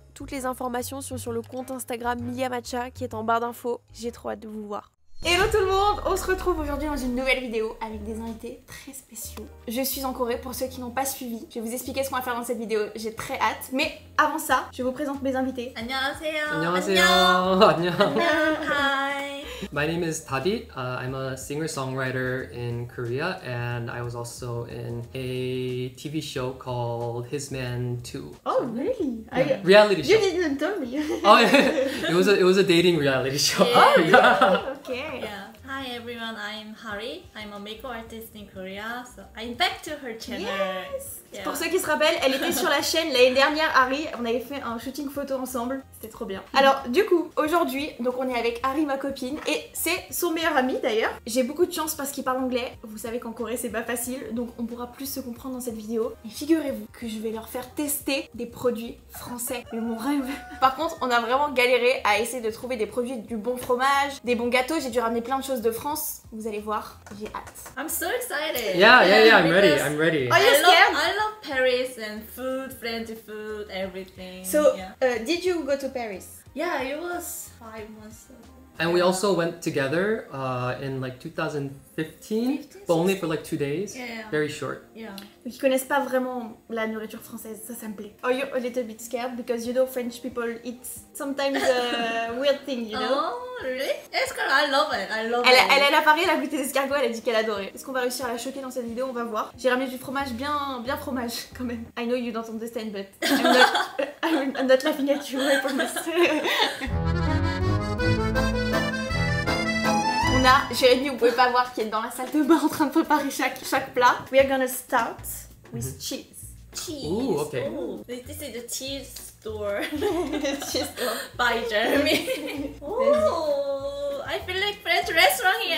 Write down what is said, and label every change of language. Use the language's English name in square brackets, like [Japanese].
[French] Toutes les informations sont sur le compte Instagram Milia Matcha qui est en barre d'infos. J'ai trop hâte de vous voir. Hello tout le monde, on se retrouve aujourd'hui dans une nouvelle vidéo avec des invités très spéciaux. Je suis en Corée pour ceux qui n'ont pas suivi. Je vais vous expliquer ce qu'on va faire dans cette vidéo, j'ai très hâte. Mais avant ça, je vous présente mes invités. [Korean] 안녕하세요. 안녕하세요. 안녕. [English] Hi. My name is Tadi. I'm a singer-songwriter in Korea and I was also in a TV show called His Man 2. Oh, really? Yeah. Reality show. You didn't tell me. Oh, yeah. It was a dating reality show. Yeah. Oh, yeah. Yeah. Hi everyone, I'm Hari. I'm a makeup artist in Korea. So I'm back to her channel. Yes. Yeah. [French] Pour ceux qui se rappellent, elle était sur la chaîne l'année dernière, Hari. On avait fait un shooting photo ensemble. C'était trop bien. Alors, du coup, aujourd'hui, donc on est avec Hari, ma copine. Et c'est son meilleur ami, d'ailleurs. J'ai beaucoup de chance parce qu'il parle anglais. Vous savez qu'en Corée, c'est pas facile. Donc, on pourra plus se comprendre dans cette vidéo. Et figurez-vous que je vais leur faire tester des produits français. C'est mon rêve. Par contre, on a vraiment galéré à essayer de trouver des produits, du bon fromage, des bons gâteaux. J'ai dû ramener plein de choses de France. Vous allez voir, j'ai hâte. [English] I'm so excited. Yeah, I'm ready. Are you scared? I love Paris and food, French food, everything. So, yeah. Did you go to Paris? Yeah, it was 5 months ago. And we also went together in like 2015, 15? But only for like 2 days. Yeah. Very short. Yeah. [French] Ils connaissent pas vraiment la nourriture française, ça me plaît. [English] Are you a little bit scared because you know French people eat sometimes a weird thing, you know? Oh, really? Escargot, I love it. [French] Elle a parlé, elle a goûté des escargots, elle a dit qu'elle adorait. Est-ce qu'on va réussir à la choquer dans cette vidéo? On va voir. J'ai ramené du fromage bien fromage quand même. [English] I know you don't understand, but I'm not laughing at you, I promise. [French] Anna, Jérémy, vous pouvez pas voir qui est dans la salle de bain en train de préparer chaque plat. [English] We are gonna start with cheese. Cheese. Ooh, okay. Ooh. This is the cheese store. Cheese store. By Jérémy. Ooh, I feel like French restaurant here.